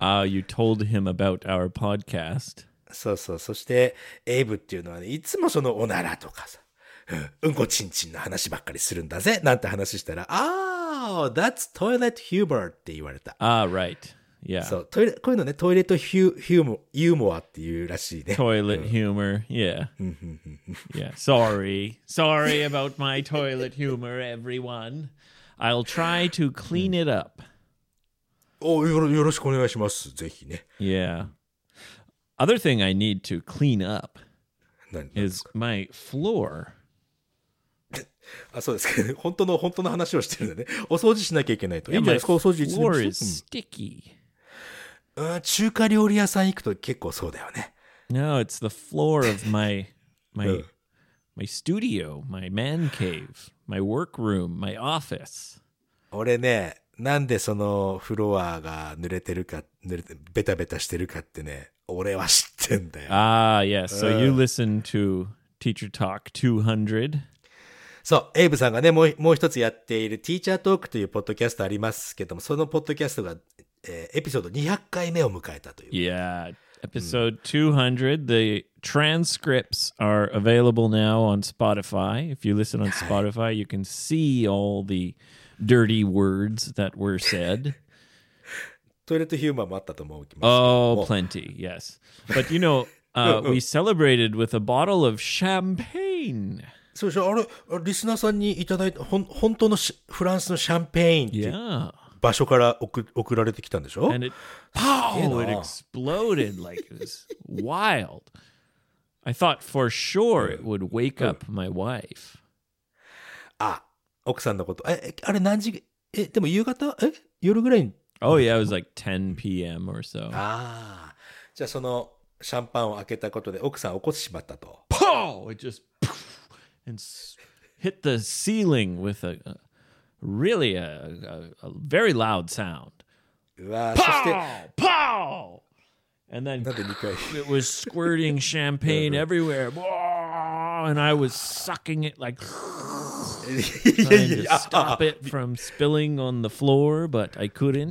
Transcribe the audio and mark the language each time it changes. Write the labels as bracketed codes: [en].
[en] Ah, you told him about our podcast. [ja] そうそう、そして、エイブっていうのは、ね、いつもそのおならとかさ、うんこちんちんの話ばっかりするんだぜなんて話したら、 [en] ah, that's toilet humor [ja] って言われた。 [en] Ah, right. Yeah. [ja] そう、トイレ、こういうのね、トイレットユーモアっていうらしいね。 [en] Toilet humor, yeah. yeah, sorry. Sorry about my toilet humor, everyone. I'll try to clean it up. [ja] お、よろしくお願いします。ぜひね。 [en] Yeah. Other thing I need to clean up [ja] 何 [en] is my floor. [ja] あ、そうですか。本当の話をしてるんだね。お掃除しなきゃいけないと。 [en] Yeah, [ja] いいんじゃないですか。お掃除 [en] floor is sticky. [ja] うん、中華料理屋さん行くと結構そうだよね。 [en] No, it's the floor of my studio, my man cave, my workroom, my office. [ja] 俺ね、なんでそのフロアが濡れてるか、濡れてベタベタしてるかってね、俺は知ってんだよ。 [en] Ah, yes. So you listen to Teacher Talk 200. [ja] そう、エイブさんがね、もう一つやっているティーチャートークというポッドキャストありますけども、そのポッドキャストが、エピソード200回目を迎えたという。 [en] Yeah, episode 200, the transcripts are available now on Spotify. If you listen on Spotify,、はい、you can see all the dirty words that were said. [ja] トイレットヒューマーもあったと思うけ [en] ど。Oh, plenty, yes. But you know, we celebrated with a bottle of champagne. [ja] そうでしょ、あれ、リスナーさんにいただいた、本当のフランスのシャンペインって場所から送られてきたんでしょ [en] And it, pow! It exploded like it was wild. I thought for sure it would wake up my wife. [ja] あ、奥さんのこと。あれ何時、でも夕方、夜ぐらいに。 [en] Oh yeah, it was like 10 p.m. or so. [ja] ああ。じゃあそのシャンパンを開けたことで奥さん起こしてしまったと。 [en] Pow! It just... And hit the ceiling with a really very loud sound. Pow! And then it was squirting champagne everywhere. And I was sucking it like trying to stop it from spilling on the floor, but I couldn't.